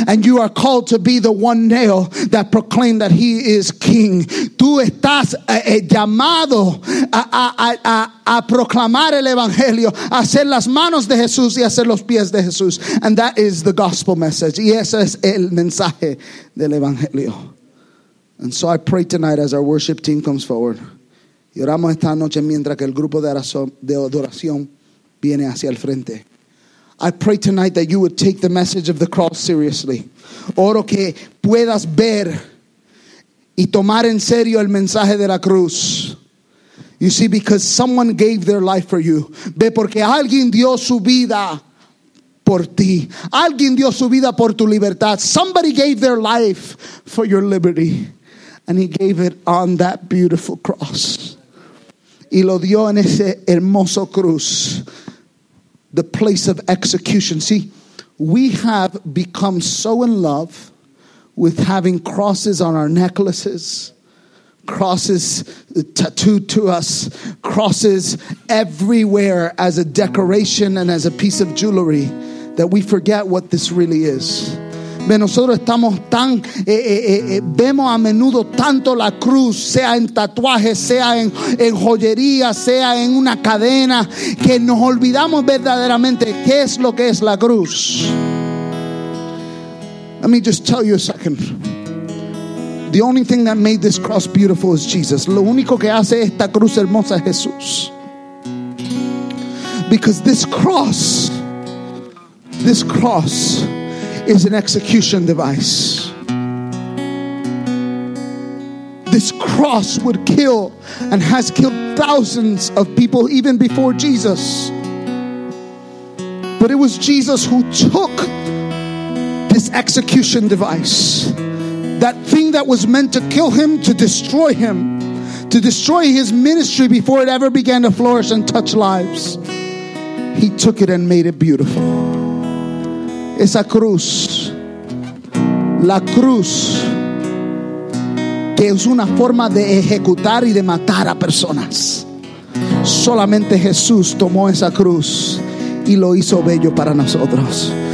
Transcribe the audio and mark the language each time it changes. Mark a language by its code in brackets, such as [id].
[en] And you are called to be the one nail that proclaimed that he is king. [es] Tú estás llamado a proclamar el evangelio, a ser las manos de Jesús y a ser los pies de Jesús. [en] And that is the gospel message. [es] Y ese es el mensaje del evangelio. [en] And so I pray tonight as our worship team comes forward. [es] Y oramos esta noche mientras que el grupo de adoración viene hacia el frente. [en] I pray tonight that you would take the message of the cross seriously. [es] Oro que puedas ver y tomar en serio el mensaje de la cruz. [en] You see, because someone gave their life for you. [es] Ve, porque alguien dio su vida por ti. Alguien dio su vida por tu libertad. [en] Somebody gave their life for your liberty. And he gave it on that beautiful cross. [es] Y lo dio en ese hermoso cruz. [en] The place of execution. See, we have become so in love with having crosses on our necklaces, crosses tattooed to us, crosses everywhere as a decoration and as a piece of jewelry, that we forget what this really is. [es] Nosotros estamos tan vemos a menudo tanto la cruz, sea en tatuajes, sea en joyería, sea en una cadena, que nos olvidamos verdaderamente qué es lo que es la cruz. [en] Let me just tell you a second. The only thing that made this cross beautiful is Jesus. Lo único que hace esta cruz hermosa es Jesús. Because this cross is an execution device. This cross would kill and has killed thousands of people even before Jesus. But it was Jesus who took this execution device, that thing that was meant to kill him, to destroy his ministry before it ever began to flourish and touch lives. He took it and made it beautiful. [es] Esa cruz, la cruz, que es una forma de ejecutar y de matar a personas. Solamente Jesús tomó esa cruz y lo hizo bello para nosotros.